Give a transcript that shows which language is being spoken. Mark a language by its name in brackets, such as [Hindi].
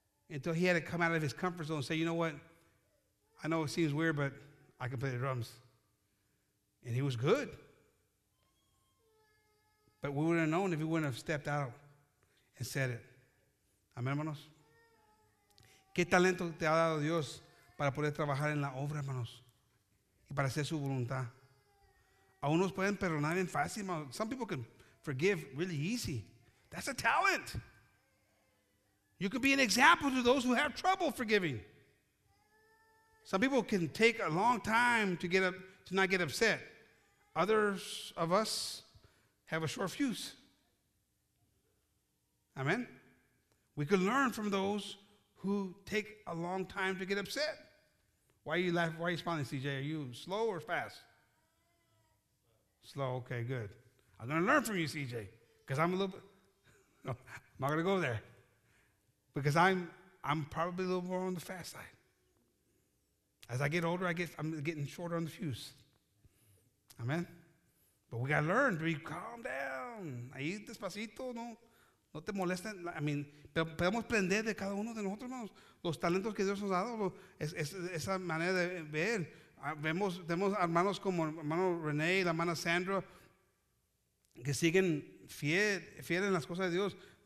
[English] Until he had to come out of his comfort zone and say, you know what? I know it seems weird, but I can play the drums. And he was good. But we wouldn't have known if he wouldn't have stepped out and said it. [Spanish] Amén, hermanos. ¿Qué talento te ha dado Dios para poder trabajar en la obra, hermanos? Y para hacer su voluntad. A unos pueden perdonar en fácil. [English] Some people can forgive really easy. That's a talent. You could be an example to those who have trouble forgiving. Some people can take a long time to not get upset. Others of us have a short fuse. Amen. We could learn from those who take a long time to get upset. Why are you laughing? Why are you smiling, CJ? Are you slow or fast? Slow. Okay, good. I'm going to learn from you, CJ, because I'm a little bit. No, I'm not going to go there. Because I'm probably a little more on the fast side. As I get older, I'm getting shorter on the fuse. Amen. But we gotta learn to be calm down. [Spanish] Ahí despacito, no te molesten. [English] I mean, [Spanish] podemos aprender de cada uno de nosotros, hermanos. Los talentos que Dios nos ha dado, esa manera de ver. Vemos hermanos como hermano René y la hermana Sandra que siguen fiel en las cosas de Dios.